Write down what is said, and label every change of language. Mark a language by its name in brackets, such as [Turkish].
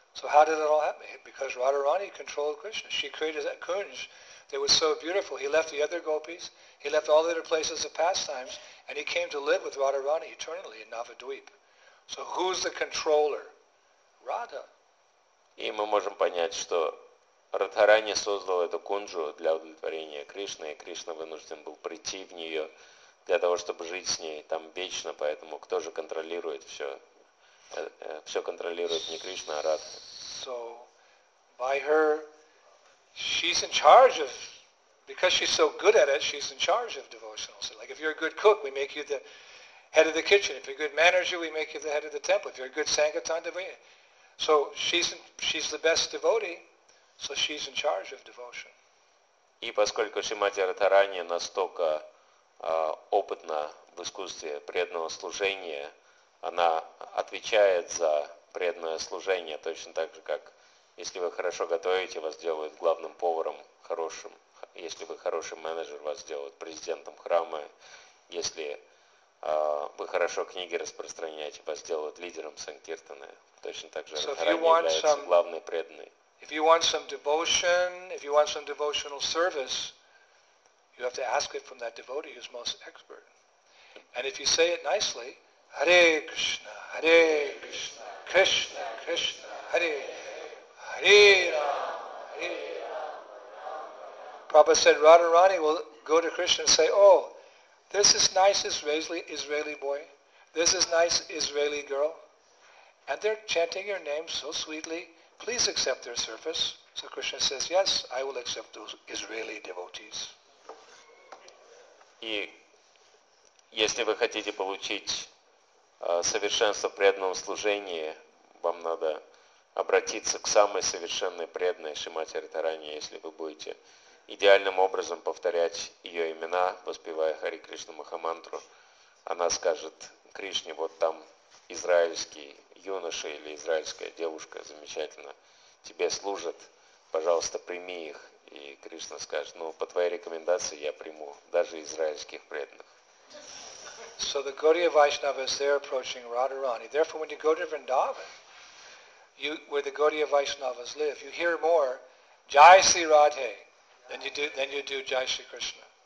[English] So how did it all happen? Because Radharani controlled Krishna. She created that kunj that was so beautiful. He left the other gopis. He left all the other places of pastimes. And he came to live with Radharani eternally in Navadvip. So who's the controller? Radha. [Russian] И мы можем понять, что Радхарани создал эту кунджу для удовлетворения Кришны, и Кришна вынужден был прийти в нее для того, чтобы жить с ней там вечно, поэтому кто же контролирует все? Все контролирует не Кришна, а Радха. [English] So, by her, she's in charge of Because she's so good at it, she's in charge of devotionals. Like if you're a good cook, we make you the head of the kitchen. If you're a good manager, we make you the head of the temple. If you're a good sangatan, then we... So she's the best devotee, so she's in charge of devotion. [Russian] И поскольку Шримати Радхарани настолько опытна в искусстве преданного служения, она отвечает за преданное служение точно так же, как если вы хорошо готовите, вас делают главным поваром хорошим. Если вы хороший менеджер, вас сделают президентом храма. Если вы хорошо книги распространяете, вас сделают лидером Санкиртаны. Точно так же Радхарани является главной преданной. [English] If you want some devotion, if you want some devotional service, you have to ask it from that devotee who's most expert. And if you say it nicely, Hare Krishna, Hare Krishna, Krishna, Krishna, Hare, Hare Rama, Hare Rama. Prabhupada said, Radharani will go to Krishna and say, oh, this is nice Israeli boy, this is nice Israeli girl, and they're chanting your name so sweetly, please accept their service. So Krishna says, yes, I will accept those Israeli devotees. [Russian] И если вы хотите получить совершенство в преданном служении, вам надо обратиться к самой совершенной преданной Шримати Радхарани, если вы будете идеальным образом повторять ее имена, воспевая Хари Кришну Махамантру, она скажет Кришне, вот там израильский юноша или израильская девушка, замечательно, тебе служат, пожалуйста, прими их. И Кришна скажет, ну, по твоей рекомендации я приму даже израильских преданных. [English] So the Gaudiya Vaishnavas, they're approaching Radharani. Therefore, when you go to Vrindavan, where the Gaudiya Vaishnavas live, you hear more Jai Sri Radhe than you do Jai Sri Krishna.